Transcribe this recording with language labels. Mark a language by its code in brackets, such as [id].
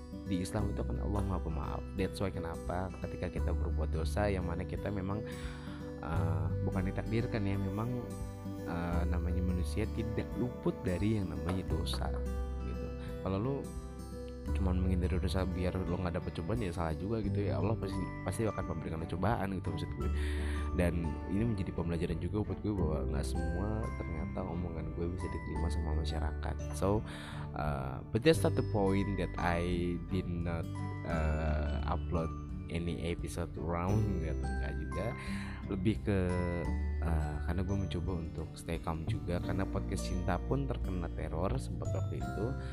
[id] Di Islam itu kan Allah Maha Pemaaf. That's why kenapa ketika kita berbuat dosa, yang mana kita memang bukan ditakdirkan ya, memang namanya manusia tidak luput dari yang namanya dosa. Gitu. Kalau lu cuman menghindari dosa biar lo gak dapet cobaan, ya salah juga gitu ya. Allah pasti akan memberikan cobaan gitu, maksud gue. Dan ini menjadi pembelajaran juga buat gue bahwa gak semua ternyata omongan gue bisa diterima sama masyarakat. [en] So but that's not the point that I did not upload any episode round gitu. [id] Enggak juga, lebih ke karena gue mencoba untuk stay calm juga, karena podcast cinta pun terkena teror sempat waktu itu.